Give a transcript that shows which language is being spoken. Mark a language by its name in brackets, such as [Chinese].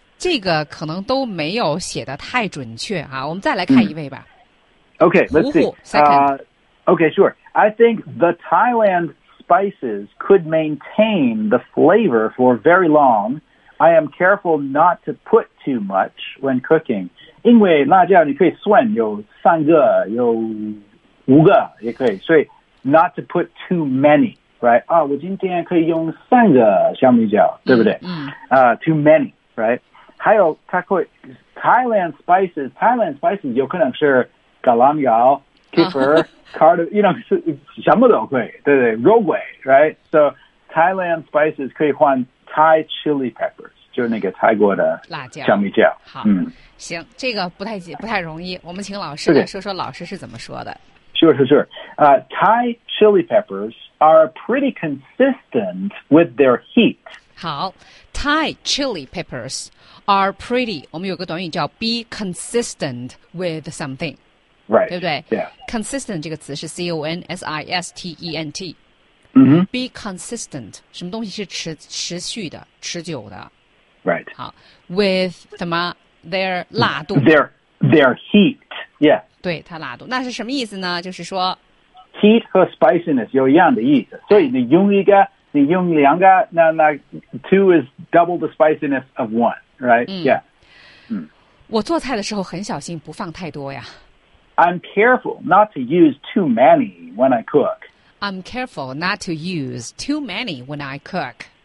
[Chinese] 这个可能都没有写的太准确啊，我们再来看一位吧。 [English] Okay, let's see. Okay, sure. I think the Thailand spices could maintain the flavor for very long. I am careful not to put too much when cooking. [Chinese] 因为辣椒你可以算有三个，有五个也可以，所以 [English] not to put too many. Right? [Chinese] 啊，我今天可以用三个小米椒，对不对？ [English] Too many, right? [Chinese] 还有它会 Thailand spices 有可能是橄榄油 [English] kefir cardamom you know [Chinese] 什么都会对对肉桂 [English] right so Thailand spices [Chinese] 可以换 [English] Thai chili peppers [Chinese] 就是那个泰国的辣椒小米椒好行这个不太容易我们请老师来说说老师是怎么说的 [English] sure Thai chili peppers are pretty consistent with their heat 好 Thai chili peppersare pretty, [Chinese] 我们有个短语叫 [English] be consistent with something. Right. [Chinese] 对不对 [English] Yeah. [Chinese] Consistent 这个词是 C-O-N-S-I-S-T-E-N-T.、 Mm-hmm. [English] Be consistent, [Chinese] 什么东西是持续的持久的。 [English] Right. [Chinese] 好 with 什么 their 辣度。 [English] Their heat, yeah. [Chinese] 对它辣度。那是什么意思呢就是说。 Heat 和 spiciness 有一样的意思。所以你用两个那 [English] two is double the spiciness of one. [Chinese] 我做菜的时候很小心不放太多呀 [English] I'm careful not to use too many when I cook I'm careful not to use too many when I cook